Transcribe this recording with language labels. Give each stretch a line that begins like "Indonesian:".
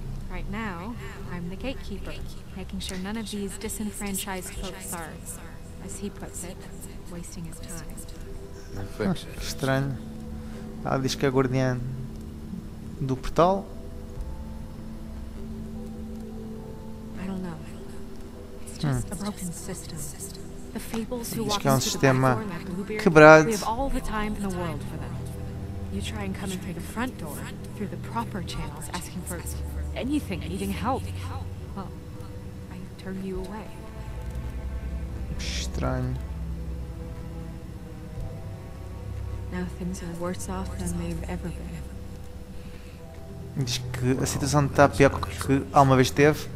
English: Right now, I'm the gatekeeper, making sure none of these disenfranchised folks are, as he puts it, wasting his time.
Portuguese: Estranho. Ela diz que é guardiã do portal.
English: I don't know. It's just a broken system. The fables who walk into the back door like we have all the time in the world for them. You try and come in through the front door, through the proper channels, asking for anything, needing help. Well, I turn you away.
Portuguese: Estranho.
English: Now things are worse off than they've ever been.
Portuguese: Diz que a situação está pior que alguma vez teve.